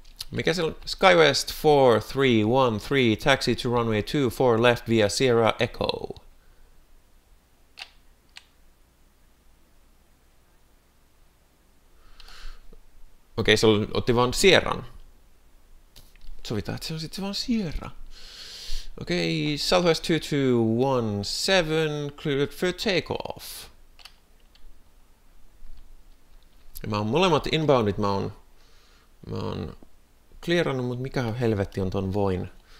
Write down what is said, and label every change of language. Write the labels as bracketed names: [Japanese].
[Finnish] Mikä se on? [English] Skywest 4313, taxi to runway 24 left via Sierra Echo. [Finnish] Okei, se otti vaan Sierran. Sovitaan, että se on sitten vaan Sierra. [English] Okei, Southwest 2217, cleared for takeoff. [Finnish] Ja mä oon molemmat inboundit, mä oon clearannut, mutta mikä helvetti on ton voin?